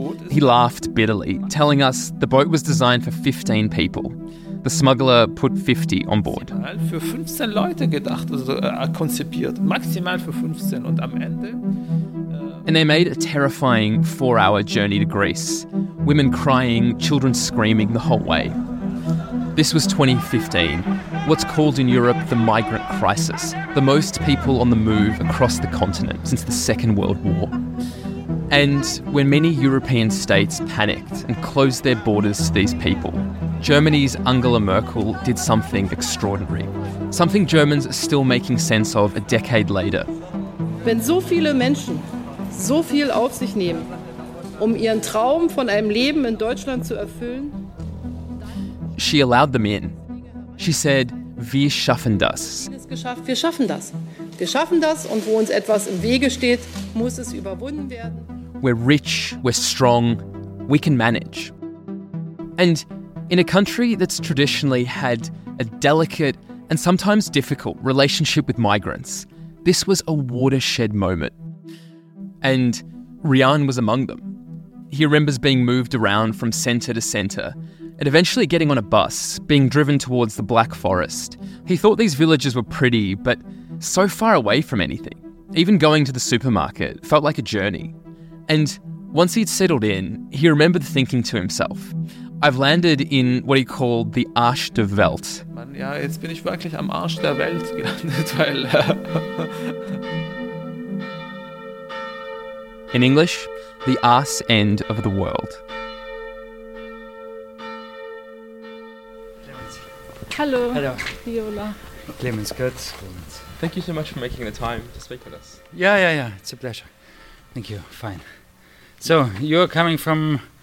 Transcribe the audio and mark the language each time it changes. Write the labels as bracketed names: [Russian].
[English] He laughed bitterly, telling us the boat was designed for 15 people. The smuggler put 50 on board. [German] Für 15 Leute gedacht, also konzipiert, maximal für 15 und am Ende. [English] And they made a terrifying 4-hour journey to Greece. Women crying, children screaming the whole way. This was 2015, what's called in Europe the migrant crisis, the most people on the move across the continent since the Second World War. And when many European states panicked and closed their borders to these people, Germany's Angela Merkel did something extraordinary, something Germans are still making sense of a decade later. [German] Wenn so viele Menschen so viel auf sich nehmen, um ihren Traum von einem Leben in Deutschland zu erfüllen, [English] she allowed them in. She said, [German] "Wir schaffen das." Wir schaffen das. Wir schaffen das, und wo uns etwas im Wege steht, muss es überwunden werden. [English] We're rich, we're strong, we can manage. And in a country that's traditionally had a delicate and sometimes difficult relationship with migrants, this was a watershed moment. And Rian was among them. He remembers being moved around from centre to centre, and eventually getting on a bus, being driven towards the Black Forest. He thought these villages were pretty, but so far away from anything. Even going to the supermarket felt like a journey. And once he'd settled in, he remembered thinking to himself, I've landed in what he called the [German] Arsch der Welt. Man, ja, jetzt bin ich wirklich am Arsch der Welt gelandet, weil... [English] In English, the arse end of the world. Hello. Hello. Viola. Clemens, good. Thank you so much for making the time to speak with us. Yeah. It's a pleasure. Thank you. Fine. So, you're coming from...